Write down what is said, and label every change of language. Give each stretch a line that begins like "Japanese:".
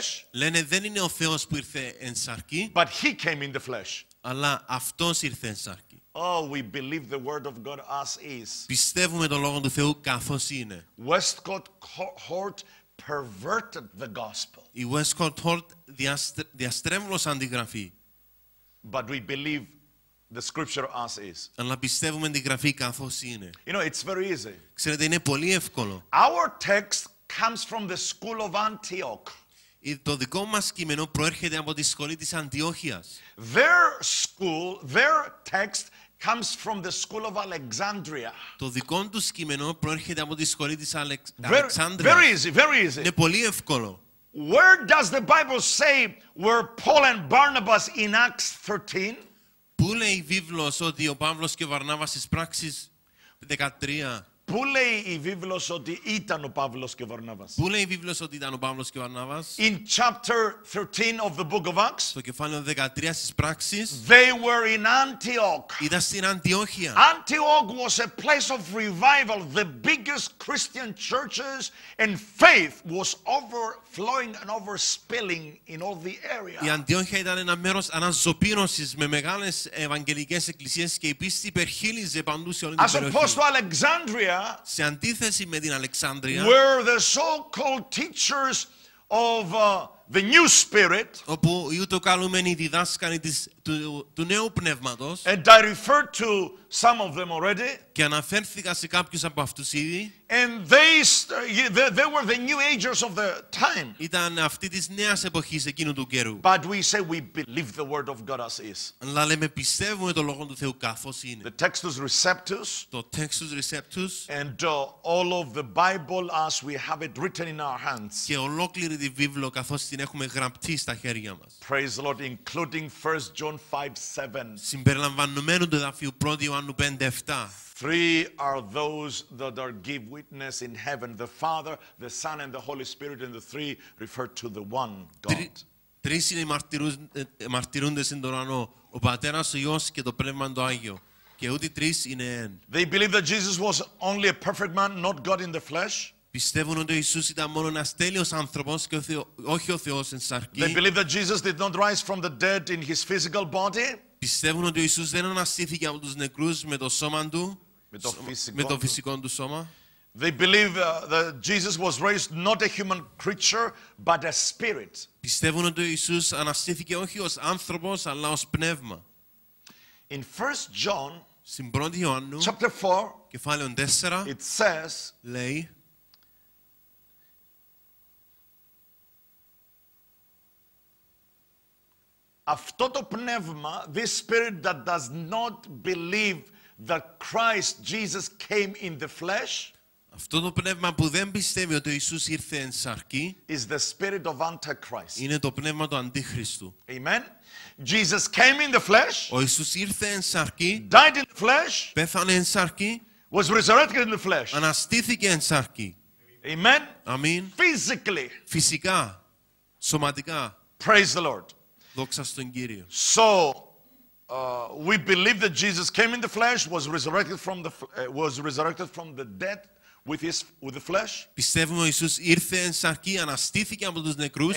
Greek: Λένε δεν είναι ο Θεός που ήρθε εν σαρκή,
English: but he came in the flesh.
Greek: Αλλά αυτός ήρθε εν σαρκή.
English: Oh, we believe the word of God as is.
Greek: Πιστεύουμε το λόγο του Θεού καθώς είναι.
English: Westcott Hort perverted the gospel.
Greek: Η Westcott Hort διαστρέβλωσε την γραφή.
English: But we believe the scripture as is.
Greek: Αλλά πιστεύουμε την γραφή καθώς είναι.
English: You know, it's very easy.
Greek: Ξέρετε, είναι πολύ εύκολο.
English: Our text comes from the school of Antioch.
Greek: Το δικό μας κείμενο προέρχεται από τη σχολή της Αντιόχειας.
English: Their school, their text comes from the school of Alexandria.
Greek: Το δικό τους κείμενο προέρχεται από τη σχολή της
English: Αλεξάνδρειας. Very easy, very easy.
Greek: Είναι πολύ εύκολο.
English: Where does the Bible say where Paul and Barnabas in Acts 13?
Greek: Πού λέει η Βίβλος ότι ο Παύλος και ο Βαρνάβας στις Πράξεις 13? Πού λέει η Βίβλος ότι ήταν ο Παύλος και ο Βαρνάβας? Πού λέει η Βίβλος ότι ήταν ο Παύλος και ο Βαρνάβας?
English: In chapter 13 of the book of Acts.
Greek: Στο κεφάλαιο 13 στις Πράξεις.
English: They were in Antioch.
Greek: Ήταν στην Αντιόχεια.
English: Antioch was a place of revival, the biggest Christian churches, and faith was overflowing and overspilling in all the area.
Greek: Η Αντιόχεια ήταν ένα μέρος αναζωπήρωσης με μεγάλες ευαγγελικές εκκλησίες και η πίστη υπερχείλιζε παντού σε όλη την περιοχή.
English: As opposed to Alexandria.
Greek: Σε αντίθεση με την Αλεξάνδρεια,
English: where the so-called teachers of the new spirit,
Greek: όπου οι ούτωκαλούμενοι διδάσκαλοι του νέου πνεύματος,
English: and I referred to some of them already,
Greek: και αναφέρθηκα σε κάποιους από αυτούς ήδη,
English: and they were the new agers of the time.
Greek: Ήταν αυτή της νέας εποχής εκείνου του καιρού.
English: But we say we believe the word of God as is.
Greek: Αλλά λέμε πιστεύουμε το λόγο του Θεού καθώς είναι.
English: The Textus Receptus.
Greek: Το Textus Receptus.
English: And all of the Bible as we have it written in our hands.
Greek: Και ολόκληρη τη Βίβλο καθώς την έχουμε γραπτεί στα χέρια μας.
English: Praise the Lord, including 1 John 5:7.
Greek: Συμπεριλαμβανομένου του εδαφίου 1 Ιωάννου 5:7.
English: Three are those that are give witness in heaven, the Father, the Son, and the Holy Spirit, and the three refer to the one God.
Greek: Τρεις είναι οι μαρτυρούντες στον ουρανό, ο Πατέρας, ο Υιός και το Πνεύμα το Άγιο. Και ούτε τρεις είναι εν.
English: They believe that Jesus was only a perfect man, not God in the flesh.
Greek: Πιστεύουν ότι ο Ιησούς ήταν μόνο ένας τέλειος άνθρωπος και όχι ο Θεός εν σαρκή.
English: They believe that Jesus did not rise from the dead in his physical body.
Greek: Πιστεύουν ότι ο Ιησούς δεν αναστήθηκε από τους νεκρούς με το σώμα του, με το φυσικό του σώμα.
English: They believe that Jesus was raised not a human creature but a spirit.
Greek: Πιστεύουν ότι ο Ιησούς αναστήθηκε όχι ως άνθρωπος αλλά ως πνεύμα.
English: In 1 John,
Greek: στην 1 Ιωάννου,
English: chapter 4,
Greek: κεφάλαιο 4,
English: it says,
Greek: λέει, αυτό το πνεύμα,
English: this spirit that does not believe that Christ Jesus came in the flesh,
Greek: αυτό το πνεύμα που δεν πιστεύει ότι ο Ιησούς ήρθε εν σαρκή,
English: is the spirit of Antichrist.
Greek: Είναι το πνεύμα του Αντίχριστου.
English: Amen. Jesus came in the flesh.
Greek: Ο Ιησούς ήρθε εν σαρκή.
English: Died in the flesh.
Greek: Πέθανε εν σαρκή.
English: Was resurrected in the flesh.
Greek: Αναστήθηκε εν σαρκή.
English: Amen.
Greek: Αμήν.
English: Physically.
Greek: Φυσικά. Σωματικά.
English: Praise the Lord.
Greek: Δόξα στον Κύριο.
English: So, we believe that Jesus came in the flesh, was resurrected from the dead. With the flesh.
Greek: Πιστεύουμε ότι ο Ιησούς ήρθε εν σαρκή, αναστήθηκε από τους νεκρούς.